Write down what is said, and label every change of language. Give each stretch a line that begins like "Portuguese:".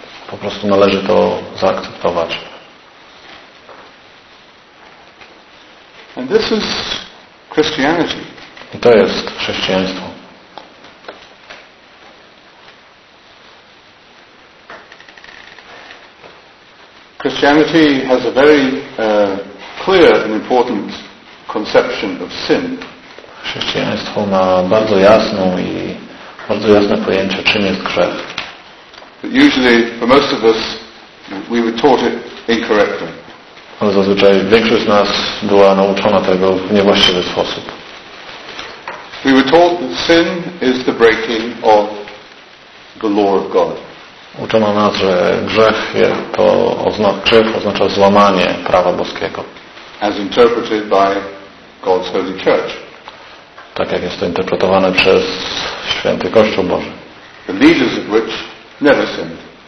Polish: Po prostu należy to zaakceptować.
English: And this is Christianity.
Polish: I to jest chrześcijaństwo.
English: Christianity has a very clear and important conception of sin.
Polish: Chrześcijaństwo ma bardzo jasną i bardzo jasne pojęcie, czym jest grzech.
English: But usually, for most of us, we were taught it incorrectly.
Polish: Ale zazwyczaj większość z nas była nauczona tego w niewłaściwy sposób.
English: We were taught that sin is the breaking of the law of God.
Polish: Uczono nas, że grzech to oznacza złamanie prawa boskiego.
English: As interpreted by God's Holy Church.
Polish: Tak jak jest to interpretowane przez Święty Kościół Boży.
English: The leaders of which never sinned.